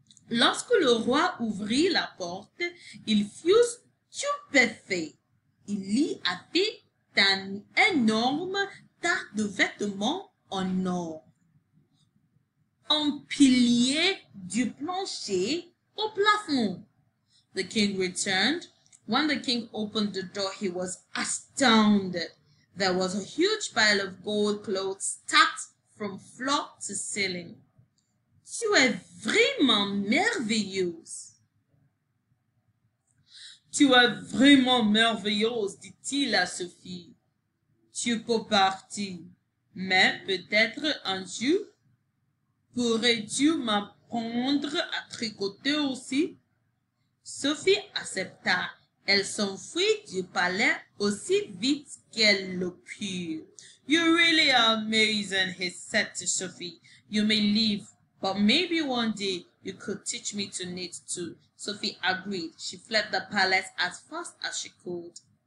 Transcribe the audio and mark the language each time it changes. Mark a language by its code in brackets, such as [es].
[fr] Lorsque le roi ouvrit la porte, il fut stupéfait. Il y avait un énorme tas de vêtements en or, empilé du plancher au plafond. [en] The king returned. When the king opened the door, he was astounded. There was a huge pile of gold clothes stacked from floor to ceiling. [fr] Tu es vraiment merveilleuse. Tu es vraiment merveilleuse, dit-il à Sophie. Tu peux partir, mais peut-être un jour pourrais-tu m'apprendre à tricoter aussi? Sophie accepta. Elle s'enfuit du palais aussi vite qu'elle le put. [en] You really are amazing, he said to Sophie. You may leave. But maybe one day you could teach me to knit too. Sophie agreed. She fled the palace as fast as she could.